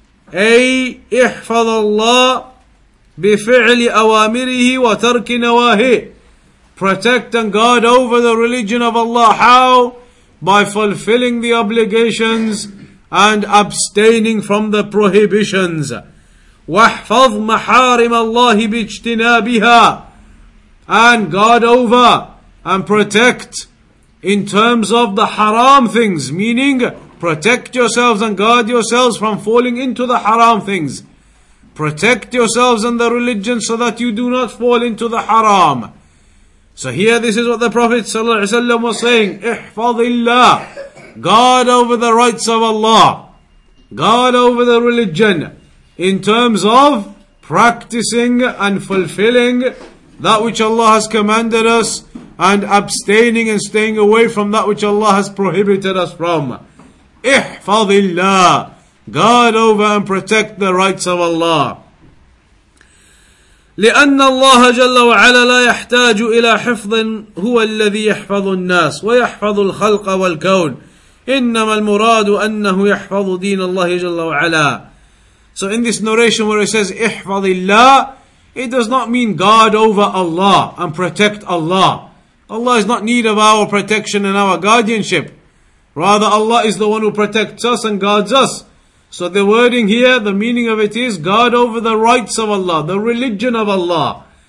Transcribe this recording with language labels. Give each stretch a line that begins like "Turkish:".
Arabic: أي احفظ الله بفعل أوامره وترك نواهيه.
English: Protect and guard over the religion of Allah. How? By fulfilling the obligations and abstaining from the prohibitions.
Arabic: واحفظ محارم الله باجتنابها.
English: And guard over and protect in terms of the haram things, meaning protect yourselves and guard yourselves from falling into the haram things. Protect yourselves and the religion so that you do not fall into the haram. So here this is what the Prophet ﷺ was saying, ihfadillah, guard over the rights of Allah, guard over the religion in terms of practicing and fulfilling that which Allah has commanded us, and abstaining and staying away from that which Allah has prohibited us from. Ihfadillah, guard over and protect the rights of Allah.
Arabic: لأن الله جل وعلا لا يحتاج إلى حفظ هو الذي يحفظ الناس ويحفظ الخلق والكون إنما المراد أنه يحفظ دين الله جل وعلا.
English: So in this narration where it says ihfadillah, it does not mean guard over Allah and protect Allah. Allah is not in need of our protection and our guardianship. Rather, Allah is the one who protects us and guards us. So the wording here, the meaning of it is, guard over the rights of Allah, the religion of Allah.